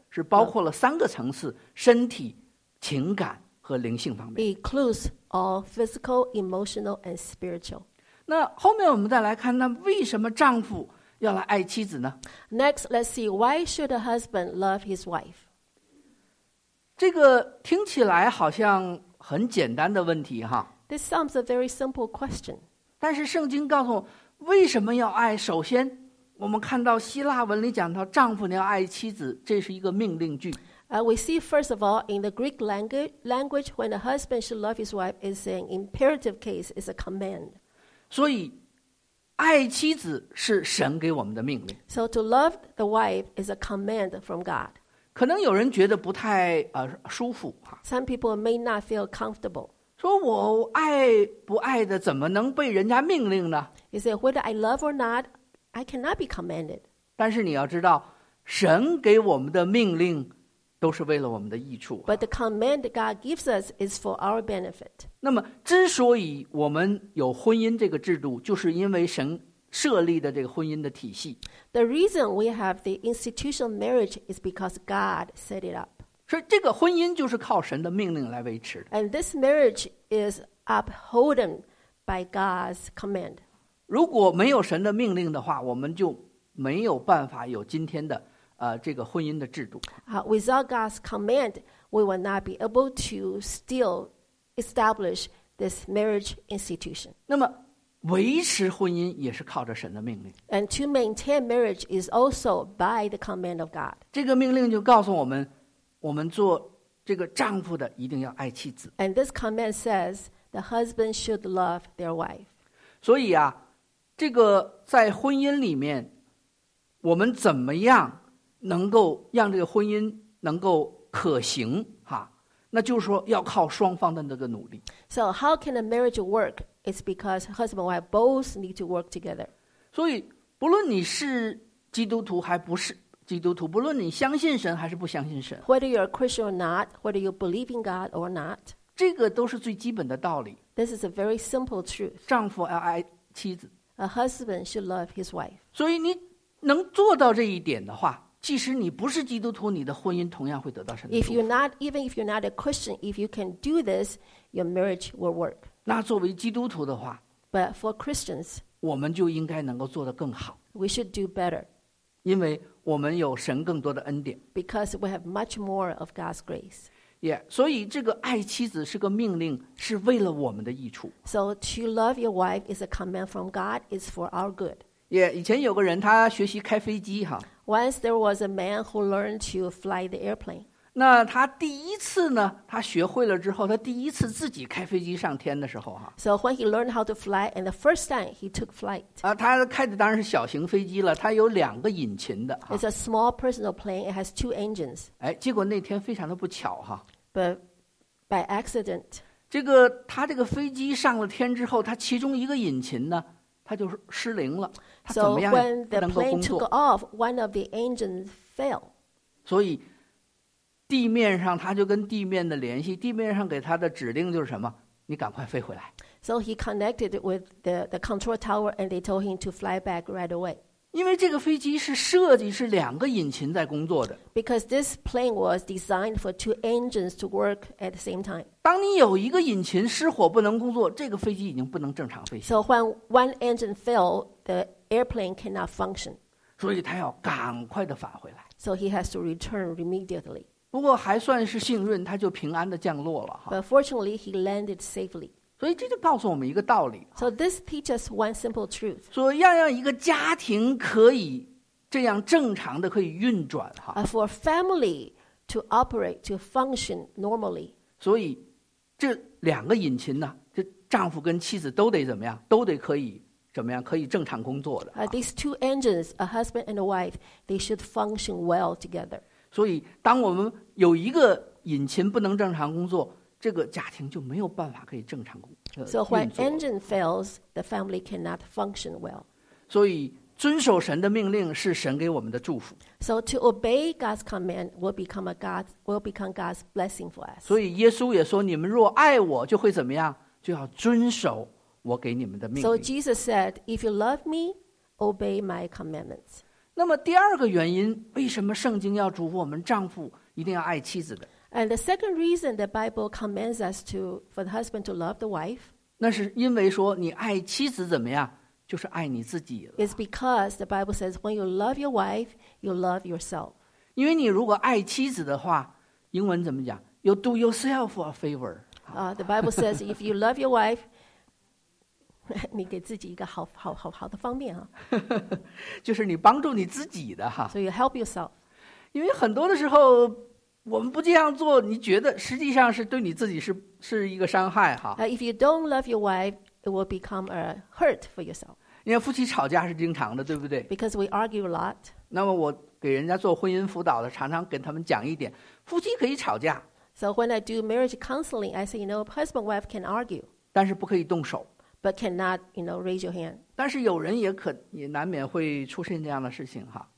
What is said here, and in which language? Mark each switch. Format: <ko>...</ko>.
<zh>是包括了三个层次：身体、情感。和灵性方面</zh> <en>includes all physical, emotional, and spiritual.</en> <zh>那后面我们再来看，那为什么丈夫要来爱妻子呢</zh> <en>？Next, let's see why should a husband love his wife.</en> <zh>这个听起来好像很简单的问题哈。</zh> <en>This sounds a very simple question.</en> <zh>但是圣经告诉我为什么要爱？首先，我们看到希腊文里讲到丈夫要爱妻子，这是一个命令句。</zh> <en>We see, first of all, in the Greek language, when a husband should love his wife, it's an imperative case, it's a command.</en> <zh>所以，爱妻子是神给我们的命令。</zh> <en>So to love the wife is a command from God.</en> <zh>可能有人觉得不太舒服。</zh> <en>Some people may not feel comfortable.</en> <zh>说我爱不爱的，怎么能被人家命令呢</zh> <en>？He said, whether I love or not, I cannot be commanded.</en> <zh>但是你要知道，神给我们的命令。都是为了我们的益处、啊、</zh> <en>But the command God gives us is for our benefit.</en> <zh>那么之所以我们有婚姻这个制度就是因为神设立的这个婚姻的体系</zh> <en>The reason we have the institutional marriage is because God set it up.</en> <zh>所以这个婚姻就是靠神的命令来维持的</zh> <en>And this marriage is upholden by God's command.</en> <zh>如果没有神的命令的话我们就没有办法有今天的这个婚姻的制度。</zh> <en>Without God's command, we will not be able to still establish this marriage institution.</en> <zh>那么，维持婚姻也是靠着神的命令。</zh> <en>And to maintain marriage is also by the command of God.</en> <zh>这个命令就告诉我们，我们做这个丈夫的一定要爱妻子。</zh> <en>And this command says the husband should love their wife.</en> <zh>所以啊，这个在婚姻里面，我们怎么样？能够让这个婚姻能够可行哈，那就是说要靠双方的那个努力。</zh> <en>So how can a marriage work? It's because husband and wife both need to work together.</en> <zh>所以不论你是基督徒还不是基督徒，不论你相信神还是不相信神</zh> <en>，Whether you're a Christian or not, whether you believe in God or not,</en> <zh>这个都是最基本的道理。</zh> <en>This is a very simple truth.</en> <zh>丈夫要爱妻子</zh> <en>，A husband should love his wife.</en> <zh>所以你能做到这一点的话。即使你不是基督徒，你的婚姻同样会得到神的祝福。</zh> <en>If you're not, even if you're not a Christian, if you can do this, your marriage will work.</en> <zh>那作为基督徒的话</zh> <en>，But for Christians,</en> <zh>我们就应该能够做得更好。</zh> <en>We should do better.</en> <zh>因为我们有神更多的恩典。</zh> <en>Because we have much more of God's grace.</en> <zh>Yeah, 所以这个爱妻子是个命令，是为了我们的益处。</zh> <en>So to love your wife is a command from God. It's for our good.</en> <zh>Yeah, 以前有个人他学习开飞机哈。</zh> <en>Once there was a man who learned to fly the airplane.</en> <zh>那他第一次呢？他学会了之后，他第一次自己开飞机上天的时候，哈。</zh> <en>So when he learned how to fly, and the first time he took flight.</en> <zh>啊，他开的当然是小型飞机了，他有两个引擎的。</zh> <en>It's a small personal plane. It has two engines.</en> <zh>哎，结果那天非常的不巧，哈。</zh> <en>But by accident.</en> <zh>这个他这个飞机上了天之后，他其中一个引擎呢？他就失灵了，他怎么样能够工作</zh> <en>？So when the plane took off, one of the engines failed.</en> <zh>所以地面上他就跟地面的联系，地面上给他的指令就是什么？你赶快飞回来。</zh> <en>So he connected with the control tower, and they told him to fly back right away.</en> <zh>因为这个飞机是设计是两个引擎在工作的。</zh> <en>Because this plane was designed for two engines to work at the same time.</en> <zh>当你有一个引擎失火不能工作，这个飞机已经不能正常飞行。</zh> <en>So when one engine failed, the airplane cannot function.</en> <zh>所以他要赶快的返回来。</zh> <en>So he has to return immediately.</en> <zh>不过还算是幸运，他就平安的降落了。</zh> <en>But fortunately, he landed safely.</en> <zh>所以这就告诉我们一个道理。</zh> <en>So this teaches one simple truth.</en> <zh>说要让一个家庭可以这样正常的可以运转哈。</zh> <en>For family to operate to function normally.</en> <zh>所以这两个引擎呢，这丈夫跟妻子都得怎么样？都得可以怎么样？可以正常工作的。</zh> <en>These two engines, a husband and a wife, they should function well together.</en> <zh>所以当我们有一个引擎不能正常工作，这个家庭就没有办法可以正常工作。</zh> <en>So when engine fails, the family cannot function well.</en> <zh>所以遵守神的命令是神给我们的祝福。</zh> <en>So to obey God's command will become God's blessing for us.</en> <zh>所以耶稣也说，你们若爱我就会怎么样？就要遵守我给你们的命令。</zh> <en>So Jesus said, if you love me, obey my commandments.</en> <zh>那么第二个原因，为什么圣经要嘱咐我们丈夫一定要爱妻子的</zh> <en>？And the second reason the Bible commands us to for the husband to love the wife，</en> <zh>那是因为说你爱妻子怎么样，就是爱你自己了。</zh> <en>It's because the Bible says when you love your wife, you love yourself。</en> <zh>因为你如果爱妻子的话，英文怎么讲 ？</zh> <en>You do yourself a favor。 The Bible says if you love your wife。</en> <zh>你给自己一个 好的方面啊，就是你帮助你自己的哈。</zh> <en>So you help yourself.</en> <zh>因为很多的时候我们不这样做，你觉得实际上是对你自己 是一个伤害哈。</zh> <en>If you don't love your wife, it will become a hurt for yourself.</en> <zh>因为夫妻吵架是经常的，对不对</zh> <en>？Because we argue a lot.</en> <zh>那么我给人家做婚姻辅导的，常常跟他们讲一点，夫妻可以吵架。</zh> <en>So when I do marriage counseling, I say, you know, husband and wife can argue.</en> <zh>但是不可以动手。</zh> <en>But cannot, you know, raise your hand.</en> <zh>但是有人也难免会出现这样的事情哈。</zh>